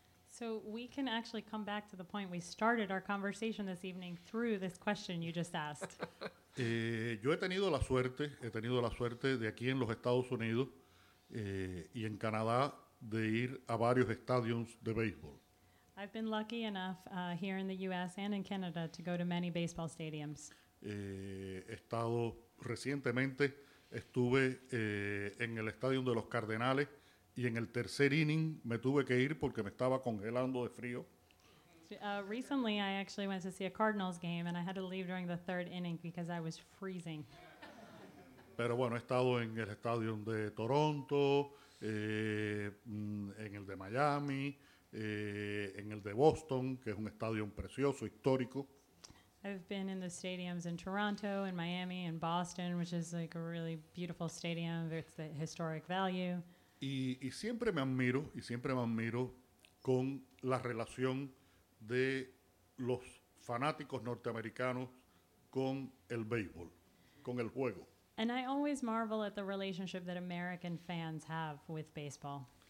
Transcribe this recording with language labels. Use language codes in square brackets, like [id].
[en] So we can actually come back to the point we started our conversation this evening through this question you just asked. [es] Yo he tenido la suerte de aquí en los Estados Unidos y en Canadá de ir a varios estadios de béisbol. [en] I've been lucky enough here in the U.S. and in Canada to go to many baseball stadiums. [es] Recientemente estuve en el estadio de los Cardenales y en el tercer inning me tuve que ir porque me estaba congelando de frío. [en] Recently, I actually went to see a Cardinals game and I had to leave during the third inning because I was freezing. [es] Pero bueno, he estado en el estadio de Toronto, en el de Miami, en el de Boston, que es un estadio precioso, histórico. [en] I've been in the stadiums in Toronto, in Miami, in Boston, which is like a really beautiful stadium. It's the historic value. [es] Y siempre me admiro con la relación de los fanáticos norteamericanos con el béisbol, con el juego. [en] And I always marvel at the relationship that American fans have with baseball.